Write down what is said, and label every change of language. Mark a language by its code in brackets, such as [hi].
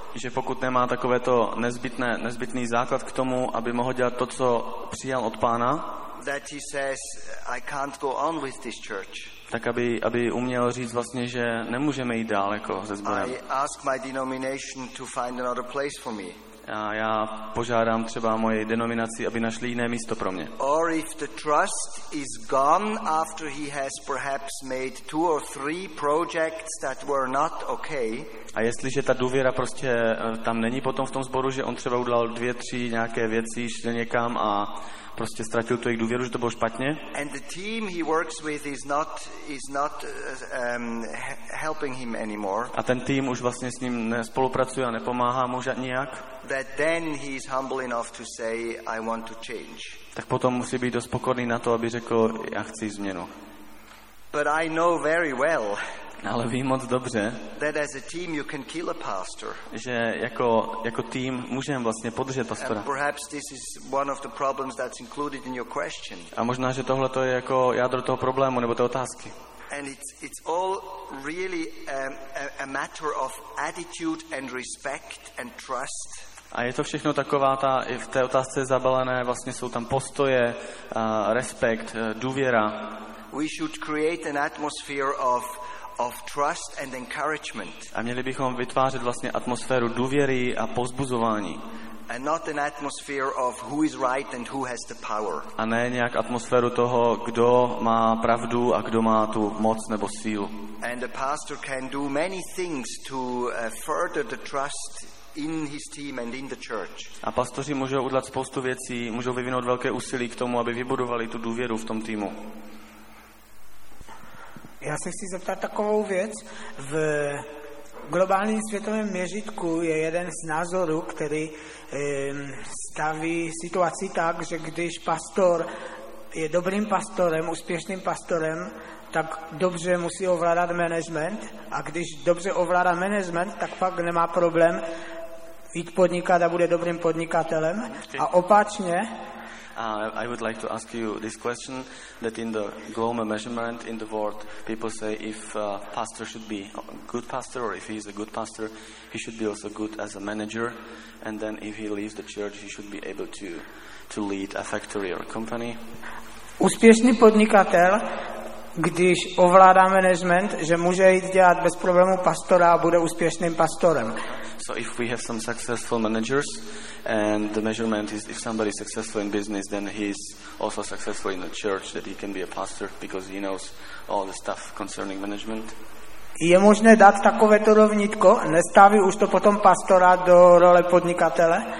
[cs] že pokud nemá takové to nezbytný základ k tomu, aby mohl dělat to, co přijal od Pána, [en] that he says I can't go on with this church, [cs] tak aby uměl říct vlastně, že nemůžeme jít dál jako se sborem. [en] I ask my denomination to find another place for me. [cs] A já požádám třeba moje denominaci, aby našli jiné místo pro mě. [en] Or if the trust is gone after he has perhaps made two or three projects that were not okay. [cs] A jestliže ta důvěra prostě tam není potom v tom sboru, že on třeba udělal dvě, tři nějaké věci, šel někam a prostě ztratil tu jejich důvěru, že to bylo špatně. [en] And the team he works with is not helping him anymore. [cs] A ten tým už vlastně s ním nespolupracuje a nepomáhá mu nijak. [en] That then he is humble enough to say I want to change. [cs] Tak potom musí být dost pokorný na to, aby řekl já chci změnu. [en] But I know very well. [cs] Ale vím moc dobře. [en] That as a team you can kill a pastor. [cs] Že jako tým můžeme vlastně podržet pastora. [en] And perhaps this is one of the problems that's included in your question. [cs] A možná že tohle to je jako jádro toho problému nebo té otázky. [en] And it's all really a matter of attitude and respect and trust. [cs] A je to všechno taková ta, i v té otázce zabalené, vlastně jsou tam postoje, respekt, důvěra. [en] We should create an atmosphere of trust and encouragement. [cs] A měli bychom vytvářet vlastně atmosféru důvěry a povzbuzování. [en] And not an atmosphere of who is right and who has the power. [cs] A ne nějak atmosféru toho, kdo má pravdu a kdo má tu moc nebo sílu. [en] And the pastor can do many things to further the trust in his team and in the church. [cs] A pastoři můžou udělat spoustu věcí, můžou vyvinout velké úsilí k tomu, aby vybudovali tu důvěru v tom týmu. Já se chci zeptat takovou věc. V globálním světovém měřítku je jeden z názorů, který staví situaci tak, že když pastor je dobrým pastorem, úspěšným pastorem, tak dobře musí ovládat management, a když dobře ovládá management, tak pak nemá problém jít podnikat a bude dobrým podnikatelem. A opačně. [en] I would like to ask you this question, that in the global measurement in the world, people say if a pastor should be a good pastor, or if he is a good pastor, he should be also good as a manager, and then if he leaves the church, he should be able to lead a factory or a company. [cs] Úspěšný podnikatel, když ovládá management, že může jít dělat bez problému pastora a bude úspěšným pastorem. [en] So if we have some successful managers and the measurement is if somebody is successful in business, then he is also successful in the church, that he can be a pastor because he knows all the stuff concerning management. [cs] Je možné dát takovéto rovnítko, nestaví už to potom pastora do role podnikatele?